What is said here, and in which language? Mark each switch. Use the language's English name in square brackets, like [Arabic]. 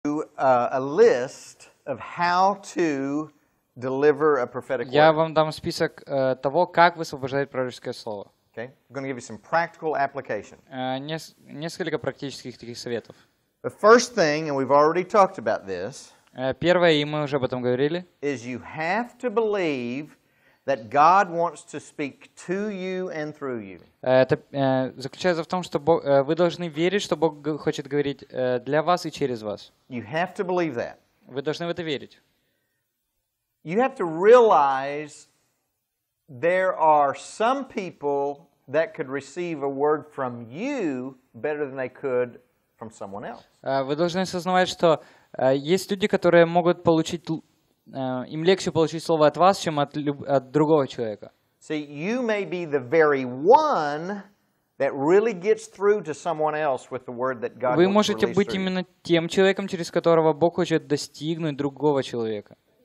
[English] a list of how to deliver a prophetic word. [Russian] Я вам дам список того, как высвобождать пророческое слово. [English] Okay. I'm going to give you some practical application. [Russian] Несколько практических таких советов. [English] The first thing, and we've already talked about this. [Russian] Первое, и мы уже об этом говорили. [English] Is you have to believe that God wants to speak to you and through you. [Russian] Это заключается в том, что вы должны верить, что Бог хочет говорить для вас и через вас. [English] You have to believe that. [Russian] Вы должны в это верить. [English] You have to realize there are some people that could receive a word from you better than they could from someone else. [Russian] Вы должны осознавать, что есть люди, которые могут получить им легче получить слово от вас, чем от другого человека. [English] See, you may be the very one that really gets through to someone else with the word that God wants to release. [Russian] Вы можете быть именно тем человеком, через которого Бог хочет достигнуть другого человека.